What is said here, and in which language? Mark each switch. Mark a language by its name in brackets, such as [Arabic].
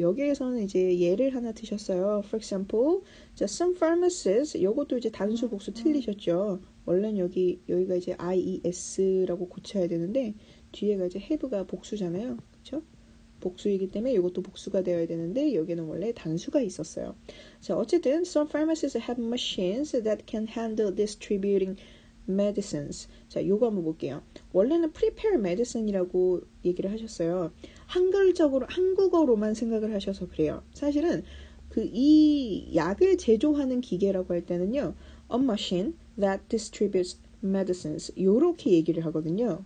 [Korean] 여기에서는 이제 예를 하나 드셨어요. For example, some pharmacists, 이것도 이제 단수 복수 틀리셨죠. 원래는 여기가 이제 IES라고 고쳐야 되는데 뒤에가 이제 have가 복수잖아요. 복수이기 때문에 이것도 복수가 되어야 되는데 여기는 원래 단수가 있었어요. [English] 자, 어쨌든 some pharmacists have machines that can handle distributing medicines. [Korean] 자, 이거 한번 볼게요. 원래는 prepare medicine이라고 얘기를 하셨어요. 한국어로만 생각을 하셔서 그래요. 사실은 그 이 약을 제조하는 기계라고 할 때는요, a machine that distributes medicines 이렇게 얘기를 하거든요.